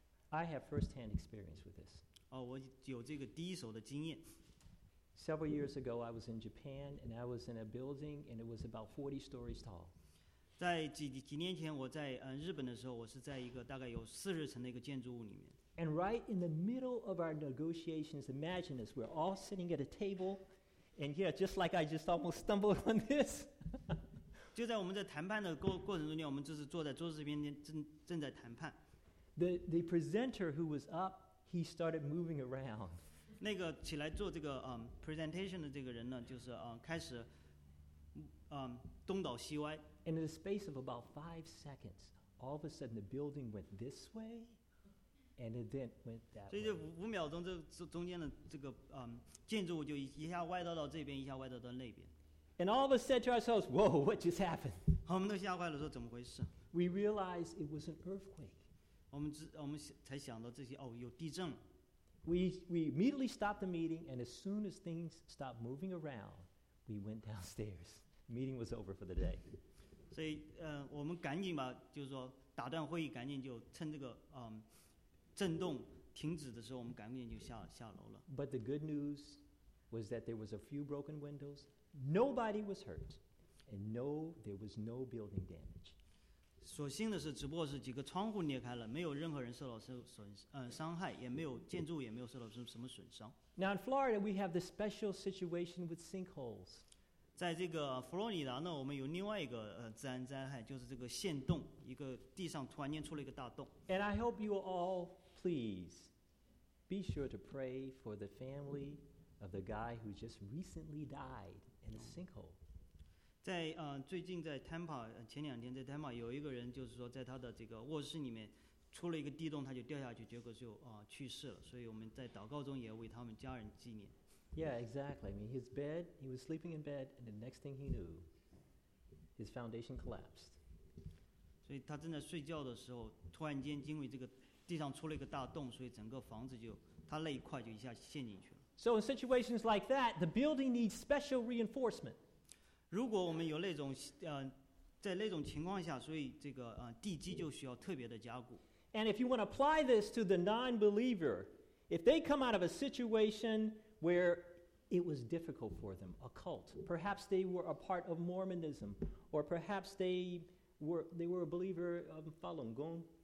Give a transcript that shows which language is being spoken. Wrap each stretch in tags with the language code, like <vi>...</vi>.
<en>I have first-hand experience with this.</en> <zh>哦，我有这个第一手的经验。</zh> <en>Several years ago, I was in Japan, and I was in a building, and it was about 40 stories tall.</en> <zh>在几年前，我在日本的时候，我是在一个大概有40层的一个建筑物里面。</zh> <en>And right in the middle of our negotiations, imagine this, we're all sitting at a table, and yeah, just like I just almost stumbled on this.</en> <zh>就在我们在谈判的过程中间，我们就是坐在桌子这边正在谈判。</zh> <en>The presenter who was up, he started moving around.</en> <zh>那个起来做这个presentation 的这个人呢，就是开始东倒西歪。</zh> <en>And in the space of about 5 seconds, all of a sudden the building went this way, and it then went that way.</en> <zh>所以这五秒钟这中间的这个建筑物就一下歪到这边，一下歪到那边。</zh> <en>And all of us said to ourselves, "Whoa, what just happened?"</en> <zh>我们都吓坏了，说怎么回事</zh> <en>？We realized it was an earthquake.</en> <zh>我们才想到这些哦，有地震了。</zh> <en>We immediately stopped the meeting, and as soon as things stopped moving around, we went downstairs. Meeting was over for the day.</en> <zh>所以我们赶紧吧，就是说打断会议，赶紧就趁这个震动停止的时候，我们赶紧就下楼了。</zh> <en>But the good news was that there was a few broken windows. Nobody was hurt, and no, there was no building damage.</en> <zh>所幸的是，只不过是几个窗户裂开了，没有任何人受到伤害，也没有建筑也没有受到什么损伤。</zh> <en>Now in Florida, we have this special situation with sinkholes.</en> <zh>在这个佛罗里达呢，我们有另外一个自然灾害，就是这个陷洞，一个地上突然间出了一个大洞。</zh> <en>And I hope you all please be sure to pray for the family of the guy who just recently died in a sinkhole.</en> <zh>在最近在 Tampa 前两天在 Tampa 有一个人就是说在他的这个卧室里面出了一个地洞，他就掉下去，结果就去世了。所以我们在祷告中也为他们家人纪念。</zh> <en>Yeah, exactly. I mean, his bed, he was sleeping in bed, and the next thing he knew, his foundation collapsed.</en> <zh>所以他正在睡觉的时候，突然间因为这个地上出了一个大洞，所以整个房子就他那一块就一下陷进去了。</zh> <en>So in situations like that, the building needs special reinforcement.</en> <zh>如果我们有那种在那种情况下，所以这个地基就需要特别的加固。</zh> <en>And if you want to apply this to the non-believer, if they come out of a situation where it was difficult for them, a cult. Perhaps they were a part of Mormonism, or perhaps they were a believer of Falun Gong.</en>